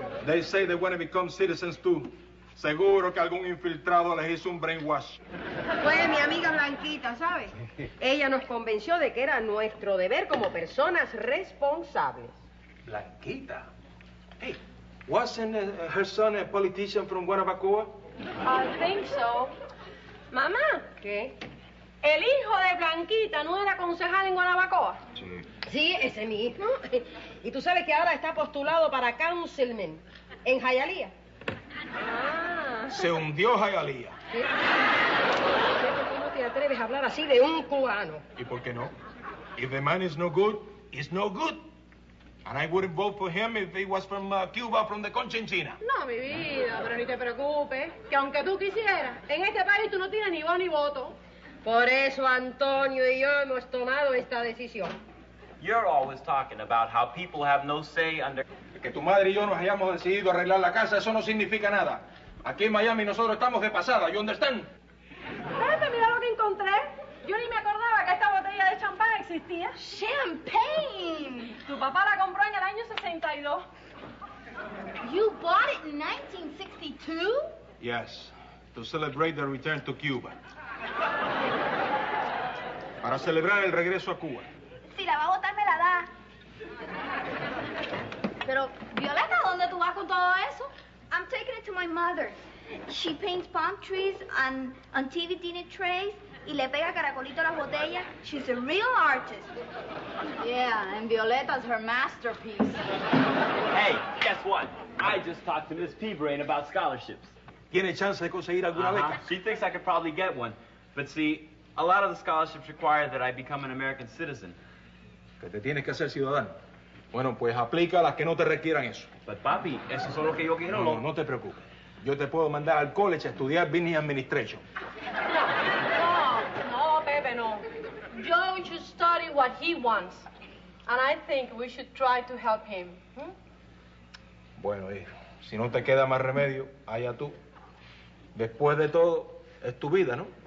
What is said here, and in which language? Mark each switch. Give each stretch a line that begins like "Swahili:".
English: They say they want to become citizens too.
Spanish: Seguro que algún infiltrado les hizo un brainwash. Fue mi amiga Blanquita, ¿sabes? Ella nos convenció de que era nuestro deber como personas responsables.
English: Blanquita? Hey, wasn't her son a politician from Guanabacoa? I think so.
Spanish: Mamá. ¿Qué? El hijo de Blanquita no era concejal en Guanabacoa. Sí, ese mismo. Y tú sabes que ahora está postulado para councilman en Hialeah. Ah. Se hundió Hialeah. ¿Cómo te atreves a hablar así de un cubano? ¿Y por qué no?
English: If the man is no good, he's no good. And I wouldn't vote for him if he was from Cuba, from the Conchinchina.
Spanish: No, mi vida, pero ni te preocupes. Que aunque tú quisieras, en este país tú no tienes ni voz ni voto. Por eso Antonio y yo hemos tomado esta decisión.
English: You're always talking about how people have no say under...
Spanish: Que tu madre y yo nos hayamos decidido arreglar la casa, eso no significa nada. Aquí en Miami nosotros estamos de pasada,
English: ¿you understand?
Spanish: Pepe, mira lo que encontré. Yo ni me acordaba que esta botella de champán existía. ¡Champagne! Tu papá la compró en el año 62.
English: You bought it in 1962? Yes, to celebrate the return to Cuba.
Spanish: Para celebrar el regreso a Cuba. Si la va a botar, me la da. Pero, Violeta, ¿dónde tú vas con todo eso?
English: I'm taking it to my mother. She paints palm trees and on TV dinner trays
Spanish: y le pega caracolito a las botellas.
English: She's a real artist. Yeah, and Violeta's her masterpiece. Hey, guess what? I just talked to Miss P-Brain about scholarships.
Spanish: ¿Tiene chance de conseguir alguna beca?
English: She thinks I could probably get one. But see, a lot of the scholarships require that I become an American citizen.
Spanish: Que te tienes que hacer ciudadano. Bueno, pues aplica a las que no te requieran eso. But papi, eso es lo que yo quiero. No te preocupes. Yo te puedo mandar al college a estudiar business administration. No, Pepe, no.
English: Joe should study what he wants. And I think we should try to help him. Hmm?
Spanish: Bueno, hijo, si no te queda más remedio, allá tú. Después de todo, es tu vida, ¿no?